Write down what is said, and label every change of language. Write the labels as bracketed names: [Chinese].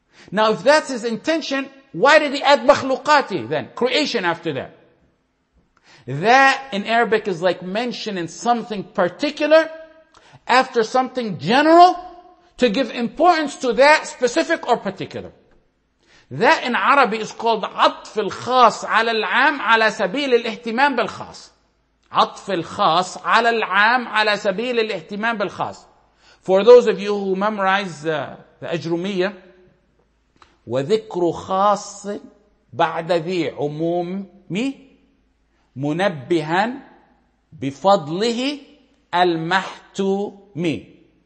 [English] Now if that's his intention, why did he add makhluqati then, creation after that? That in Arabic is like mentioning something particular after something general to give importance to that specific or particular. That in Arabic is called [Arabic] عطف الخاص على العام على سبيل الاهتمام بالخاص. عطف الخاص على العام على سبيل الاهتمام بالخاص. [English] For those of you who memorize the Ajrumiyyah, [Arabic] وذكر خاص بعد ذي عمومي منبها بفضله المحتومي.